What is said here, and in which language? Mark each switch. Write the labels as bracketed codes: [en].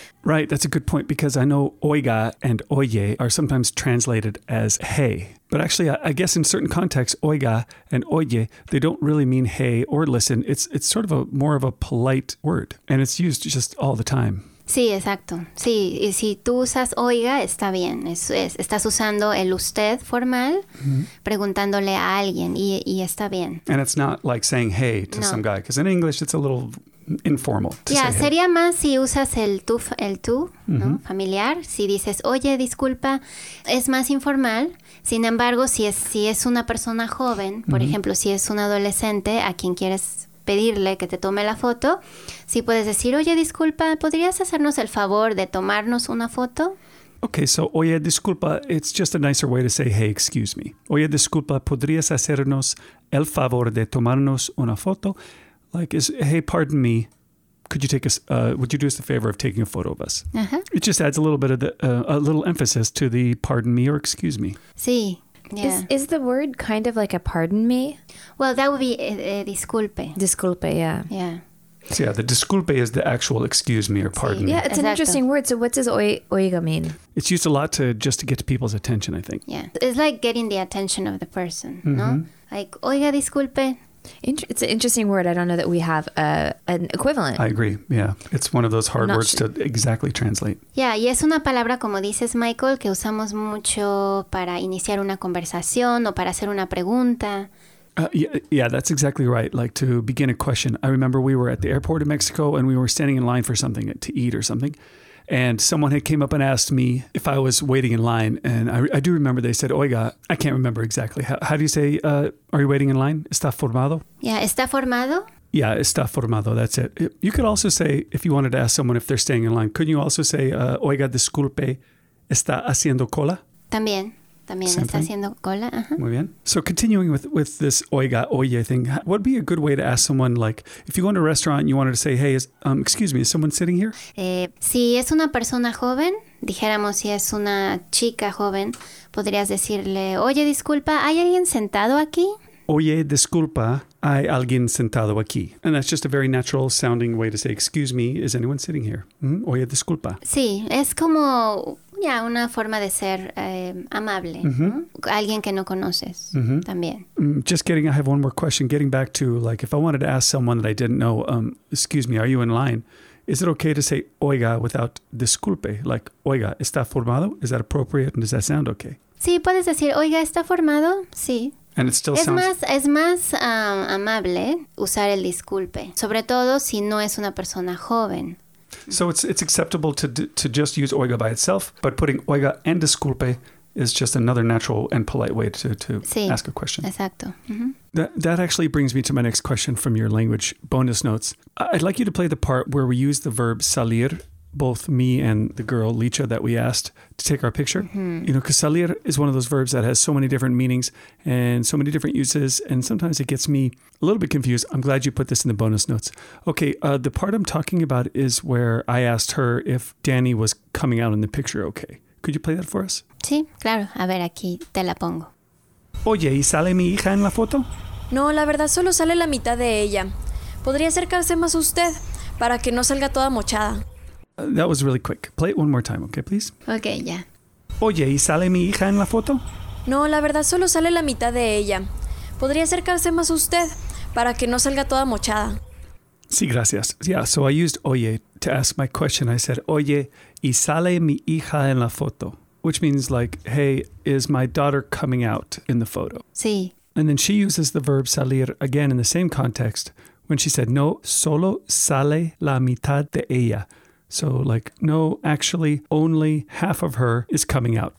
[en] Right, that's a good point, because I know oiga and oye are sometimes translated as hey. But actually, I guess in certain contexts, oiga and oye, they don't really mean hey or listen. It's sort of a more of a polite word, and it's used just all the time. [es] Sí, exacto. Sí, y si tú usas oiga, está bien. Estás usando el usted formal, preguntándole a alguien, y está bien. [en] And it's not like saying hey to some guy, because in English, it's a little... informal. [es] Yeah, sería más si usas el tú, ¿no? Familiar. Si dices, oye, disculpa, es más informal. Sin embargo, si es una persona joven, por ejemplo, si es un adolescente a quien quieres pedirle que te tome la foto, si puedes decir, oye, disculpa, ¿podrías hacernos el favor de tomarnos una foto? [en] Okay, so, [es] oye, disculpa, [en] it's just a nicer way to say, hey, excuse me. [es] Oye, disculpa, ¿podrías hacernos el favor de tomarnos una foto? [en] Like, is hey, pardon me, could you take us, would you do us the favor of taking a photo of us? It just adds a little bit of the, a little emphasis to the pardon me or excuse me. Sí. Yeah. Is the word kind of like a pardon me? Well, that would be disculpe. Disculpe, yeah. Yeah. So yeah, the disculpe is the actual excuse me or pardon. Yeah, it's an interesting word. So what does oiga mean? It's used a lot to just to get people's attention, I think. Yeah, it's like getting the attention of the person, mm-hmm. no? Like, oiga, disculpe. It's an interesting word. I don't know that we have an equivalent. I agree. Yeah. It's one of those hard words to exactly translate. Yeah. [es] Y es una palabra, como dices, Michael, que usamos mucho para iniciar una conversación o para hacer una pregunta. [en] Yeah, that's exactly right. Like to begin a question. I remember we were at the airport in Mexico and we were standing in line for something to eat or something. And someone had came up and asked me if I was waiting in line. And I do remember they said, oiga, I can't remember exactly. How do you say, are you waiting in line? [es] ¿Está formado? Yeah, ¿está formado? [en] Yeah, [es] ¿está formado? [en] That's it. You could also say, if you wanted to ask someone if they're staying in line, couldn't you also say, [es] oiga, disculpe, ¿está haciendo cola? También. También Same está thing. Haciendo cola. Uh-huh. Muy bien. [en] So continuing with this oiga, oye thing, what would be a good way to ask someone, like, if you go to a restaurant and you wanted to say, hey, excuse me, is someone sitting here? [es] Si es una persona joven, dijéramos si es una chica joven, podrías decirle, oye, disculpa, ¿hay alguien sentado aquí? Oye, disculpa, ¿hay alguien sentado aquí? [en] And that's just a very natural sounding way to say, excuse me, is anyone sitting here? [es] Mm-hmm. Oye, disculpa. Sí, es como... Ya, yeah, una forma de ser amable, mm-hmm. ¿no? Alguien que no conoces, mm-hmm. también. [en] Just kidding, I have one more question. Getting back to, like, if I wanted to ask someone that I didn't know, excuse me, are you in line? Is it okay to say oiga without disculpe? Like, [es] oiga, ¿está formado? [en] Is that appropriate and does that sound okay? [es] Sí, puedes decir, oiga, ¿está formado? Sí. [en] And it still sounds... [es] Es más amable usar el disculpe, sobre todo si no es una persona joven. [en] So it's acceptable to just use oiga by itself, but putting oiga and disculpe is just another natural and polite way to [es] sí, [en] ask a question. [es] Exacto. Mm-hmm. [en] That actually brings me to my next question from your language bonus notes. I'd like you to play the part where we use the verb salir, both me and the girl, Licha, that we asked to take our picture. Mm-hmm. You know, because salir is one of those verbs that has so many different meanings and so many different uses, and sometimes it gets me a little bit confused. I'm glad you put this in the bonus notes. Okay, the part I'm talking about is where I asked her if Dani was coming out in the picture. Okay, could you play that for us? [es] Sí, claro. A ver, aquí te la pongo. Oye, ¿y sale mi hija en la foto? No, la verdad, solo sale la mitad de ella. Podría acercarse más a usted para que no salga toda mochada. [en] That was really quick. Play it one more time, okay, please? Okay, yeah. [es] Oye, ¿y sale mi hija en la foto? No, la verdad, solo sale la mitad de ella. ¿Podría acercarse más usted para que no salga toda mochada? Sí, gracias. [en] Yeah, so I used oye to ask my question. I said, [es] oye, ¿y sale mi hija en la foto? [en] Which means like, hey, is my daughter coming out in the photo? [es] Sí. [en] And then she uses the verb salir again in the same context when she said, [es] no, solo sale la mitad de ella. [en] So, like, no, actually, only half of her is coming out.